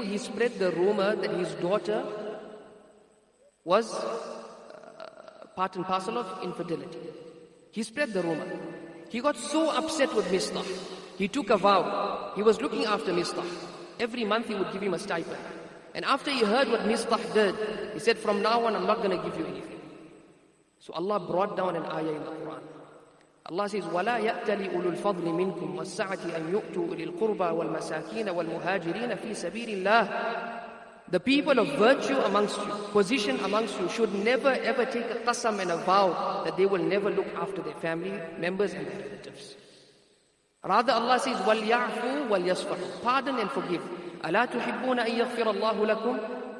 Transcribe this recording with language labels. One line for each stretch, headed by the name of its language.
English: He spread the rumor that his daughter was part and parcel of infidelity. He spread the rumor. He got so upset with Mislah. He took a vow. He was looking after Mislah. Every month he would give him a stipend. And after he heard what Mislah did, he said, from now on, I'm not going to give you anything. So Allah brought down an ayah in the Quran. Allah says,
Arabic: وَلَا يَأْتَلِ أُولُو الْفَضْلِ مِنْكُمْ وَالسَّعَةِ أَنْ يُؤْتُوا أُولِي الْقُرْبَى وَالْمَسَاكِينَ وَالْمُهَاجِرِينَ فِي سَبِيلِ اللَّهِ.
English: The people of virtue amongst you, position amongst you, should never ever take a qasam and a vow that they will never look after their family members and their relatives. Rather, Allah says,
Arabic: وَلْيَعْفُوا وَلْيَصْفَحُوا.
English: Pardon and forgive.
Arabic: أَلَا تُحِبُّونَ أَن يَغْفِرَ اللَّهُ لَكُمْ.